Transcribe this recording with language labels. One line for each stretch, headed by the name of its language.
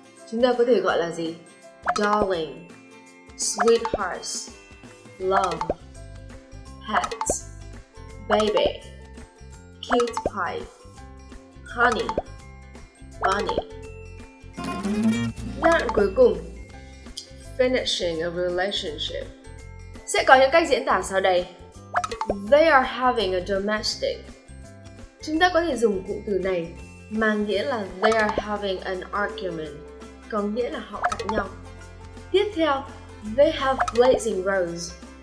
Vietnamese: Chúng ta có thể gọi là gì?
English: Darling, sweetheart, love, pet, baby, cute pie, honey, bunny.
Vietnamese: Giai đoạn cuối cùng,
English: finishing a relationship,
Vietnamese: sẽ có những cách diễn tả sau đây.
English: They are having a domestic.
Vietnamese: Chúng ta có thể dùng cụm từ này mang nghĩa là
English: they are having an argument,
Vietnamese: có nghĩa là họ cãi nhau. Tiếp theo,
English: they have blazing rose.